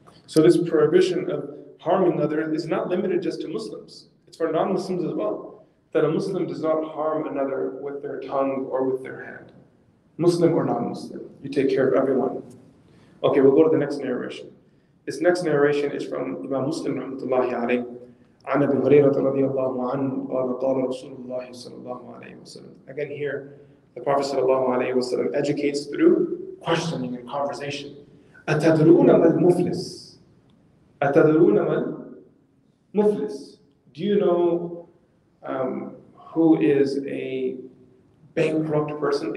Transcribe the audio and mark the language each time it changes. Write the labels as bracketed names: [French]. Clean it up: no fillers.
[English] So this prohibition of harming another is not limited just to Muslims. It's for non-Muslims as well. That a Muslim does not harm another with their tongue or with their hand. Muslim or non-Muslim, you take care of everyone. Okay, we'll go to the next narration. This next narration is from Imam Muslim rahmatullahi alayh. [Arabic] عن أبي هريرة رضي الله عنه قال قال رسول الله صلى الله عليه وسلم. [English] Again here, the Prophet صلى الله عليه وسلم educates through questioning and conversation. [Arabic] أتدرون ما المفلس؟ أتدرون ما المفلس؟ [English] Do you know who is a bankrupt person?